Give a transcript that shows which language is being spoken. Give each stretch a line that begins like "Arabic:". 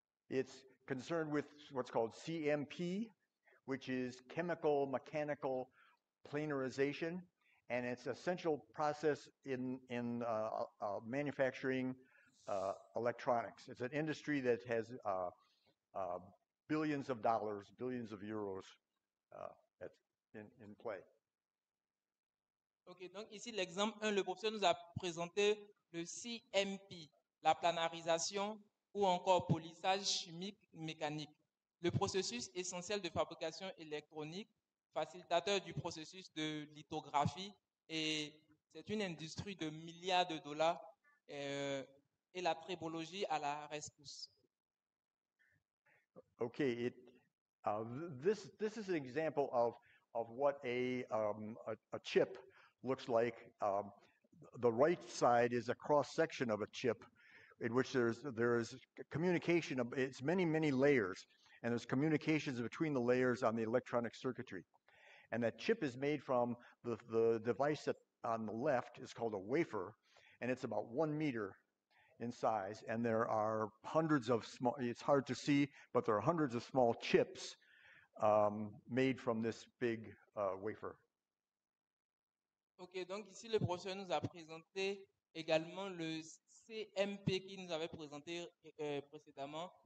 English: It's concerned with what's called CMP, which is chemical mechanical planarization, and it's an essential process in manufacturing electronics. It's an industry that has billions of dollars, billions of euros in play.
French: OK, donc ici l'exemple 1, le professeur nous a présenté le CMP, la planarisation ou encore polissage chimique mécanique, le processus essentiel de fabrication électronique, facilitateur du processus de lithographie, et c'est une industrie de milliards de dollars et la tribologie à la rescousse.
English: OK, this is an example of what a chip looks like. The right side is a cross section of a chip in which there is communication of it's many, many layers, and there's communications between the layers on the electronic circuitry. And that chip is made from the device that on the left is called a wafer, and it's about 1 meter in size, and there are hundreds of small, it's hard to see, but there are hundreds of small chips made from this big wafer.
French: OK, donc ici, le professeur nous a présenté également le CMP qu'il nous avait présenté précédemment.